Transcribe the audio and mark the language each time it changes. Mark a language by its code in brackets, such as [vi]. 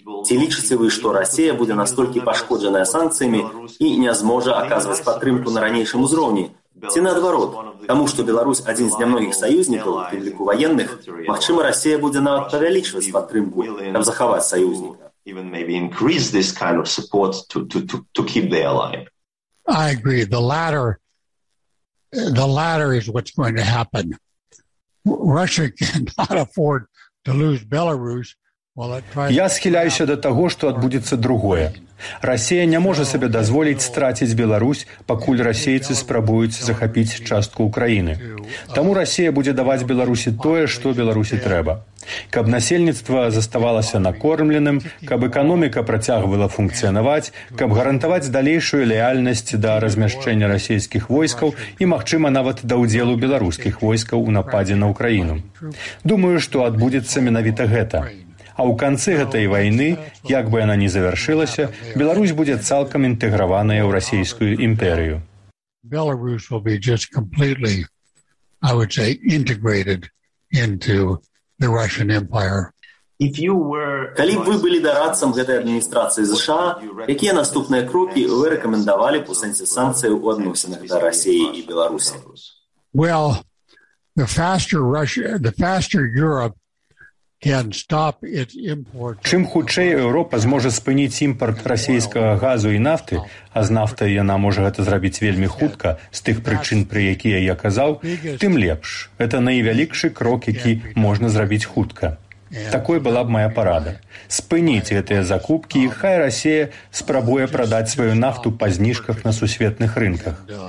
[be] Ці лічыце вы, што Расія будзе настолькі пашкоджаная санкцыямі і не зможа аказваць падтрымку на ранейшым узроўні? Ці наадварот, таму што Беларусь адзін з нямногіх саюзнікаў, у тым ліку ваенных, магчыма, Расія будзе нават павялічваць падтрымку, каб захаваць саюзніка? [en] Even maybe increase this kind of support to keep the ally. I agree. The latter is what's going to happen. Russia cannot afford to lose Belarus. [be] Я схіляюся до таго, што адбудзецца другое. Расія не можа сабе дазволіць страціць Беларусь, пакуль расейцы спрабуюць захапіць частку Украіны. Таму Расія будзе даваць Беларусі тое, што Беларусі трэба. Каб насельніцтва заставалася накормленым, каб эканоміка працягвала функцыянаваць, каб гарантаваць далейшую лояльнасць да размяшчэння расійскіх войскаў і, магчыма, нават да ўдзелу беларускіх войскаў у нападзе на Украіну. Думаю, што адбудзецца менавіта гэта. А ў канцы гэтай вайны, як бы яна ні завершылася, Беларусь будзе цалкам інтэграваная ў расійскую імперыю. [en] Belarus will be just completely, I would say, integrated into the Russian Empire. If you were... [be] Калі б вы былі дарадцам гэтай адміністрацыі США, якія наступныя крокі вы рэкамендавалі па сэнсе санкцый у адносінах да Расіі і Беларусі? [en] Well, the faster Europe can stop its import. [be] Чым хутчэй Еўропа зможа спыніць імпарт расійскага газу і нафты, а з нафтай яна можа гэта зрабіць вельмі хутка, з тых прычын, пры якія я казаў, тым лепш. Гэта найвялікшы крок, які можна зрабіць хутка. Такой была б мая парада. Спыніць гэтыя закупкі, і хай Расія спрабуе прадаць сваю нафту па зніжках на сусветных рынках.